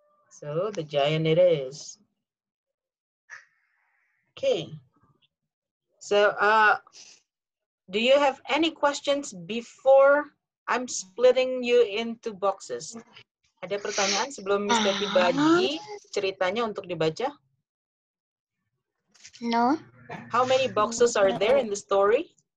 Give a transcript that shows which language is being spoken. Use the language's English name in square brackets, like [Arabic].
[English] So the giant it is. Okay. So, do you have any questions before I'm splitting you into boxes? [Indonesian] Ada pertanyaan sebelum Mister dibagi ceritanya untuk dibaca? [English] No. How many boxes are there in the story?